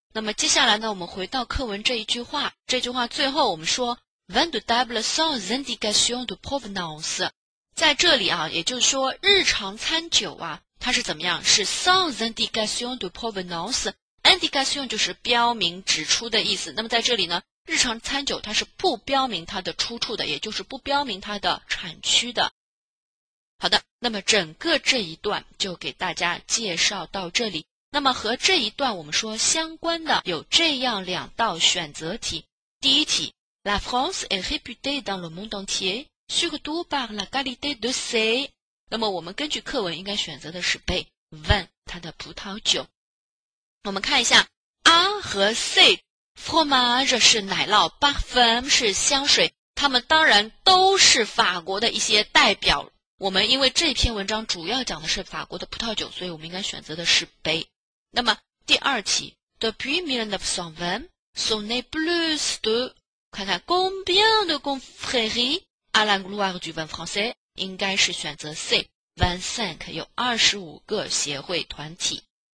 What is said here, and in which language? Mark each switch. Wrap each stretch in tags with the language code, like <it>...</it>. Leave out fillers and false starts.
<zh>那么接下来呢，我们回到课文这一句话，这句话最后我们说</zh> <fr>Vin de table sans indication de provenance，</fr> <zh>在这里啊，也就是说日常餐酒啊，它是怎么样，是</zh> <fr>sans indication de provenance，</fr> <zh>indication 就是标明指出的意思。那么在这里呢，日常餐酒它是不标明它的出处的，也就是不标明它的产区的。好的，那么整个这一段就给大家介绍到这里。那么和这一段我们说相关的有这样两道选择题。第一题，</zh> <fr>La France est réputée dans le monde entier surtout par la qualité de ses，</fr> <zh>那么我们根据课文应该选择的是 B， Vin 它的葡萄酒。我们看一下 A 和 C， Fromage 是奶酪， Parfum 是香水，它们当然都是法国的一些代表。我们因为这篇文章主要讲的是法国的葡萄酒，所以我们应该选择的是 B。那么第二题，</zh> <fr>Depuis 1920, son n'est plus de，</fr> <zh>看看</zh> <fr>combien de confréries à la gloire du vin français，</fr> <zh>应该是选择 C， 25， 有25个协会团体。</zh>